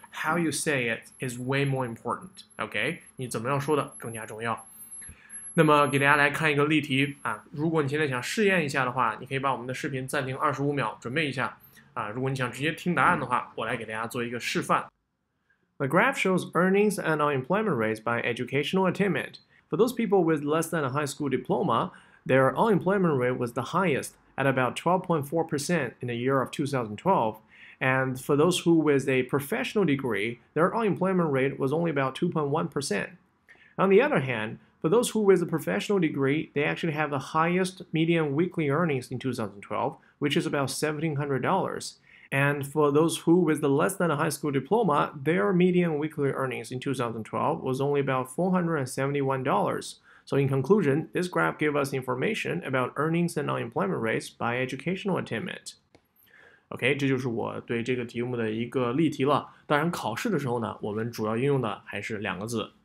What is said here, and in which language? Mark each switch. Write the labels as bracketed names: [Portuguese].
[English] How you say it is way more important, OK, [Chinese] 你怎么样说的更加重要。那么给大家来看一个例题啊，如果你现在想试验一下的话，你可以把我们的视频暂停25秒准备一下啊，如果你想直接听答案的话，我来给大家做一个示范。 [English] The graph shows earnings and unemployment rates by educational attainment. For those people with less than a high school diploma, their unemployment rate was the highest at about 12.4% in the year of 2012. And for those who with a professional degree, their unemployment rate was only about 2.1%. On the other handFor those who with a professional degree, they actually have the highest median weekly earnings in 2012, which is about $1,700. And for those who with the less than a high school diploma, their median weekly earnings in 2012 was only about $471. So in conclusion, this graph gave us information about earnings and unemployment rates by educational attainment. [Chinese] OK, 这就是我对这个题目的一个例题了。当然考试的时候呢，我们主要应用的还是两个字。